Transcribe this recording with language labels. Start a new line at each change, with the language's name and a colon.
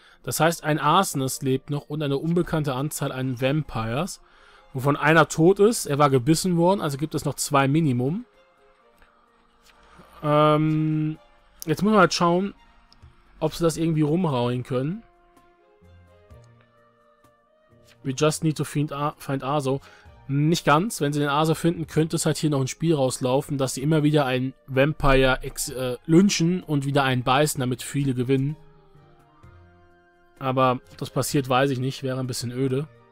German: Das heißt, ein Arsonist lebt noch und eine unbekannte Anzahl an Vampires, wovon einer tot ist. Er war gebissen worden, also gibt es noch zwei Minimum. Jetzt muss man halt schauen, ob sie das irgendwie rumhauen können.
English: We just need to find Arso.
German: Nicht ganz. Wenn sie den Arso finden, könnte es halt hier noch ein Spiel rauslaufen, dass sie immer wieder einen Vampire lynchen und wieder einen beißen, damit viele gewinnen. Aber das passiert, weiß ich nicht. Wäre ein bisschen öde.